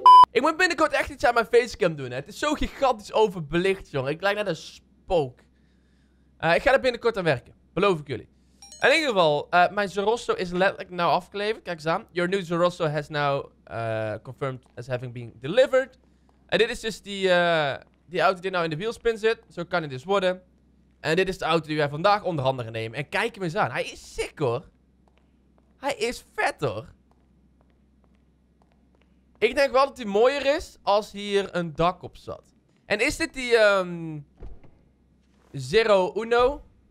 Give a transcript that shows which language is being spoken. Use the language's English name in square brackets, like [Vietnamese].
[Dutch] Ik moet binnenkort echt iets aan mijn facecam doen. Hè. Het is zo gigantisch overbelicht, jongen. Ik lijk net een spook. Ik ga er binnenkort aan werken. Beloof ik jullie. In ieder geval, mijn Zerosso is letterlijk nou afgeleverd. Kijk eens aan. [English] Your new Zerosso has now confirmed as having been delivered. [Dutch] En dit is dus die auto die nou in de wheelspin zit. Zo kan het dus worden. En dit is de auto die wij vandaag onder handen gaan nemen. En kijk hem eens aan. Hij is sick, hoor. Hij is vet, hoor. Ik denk wel dat hij mooier is als hier een dak op zat. En is dit die Zero Uno?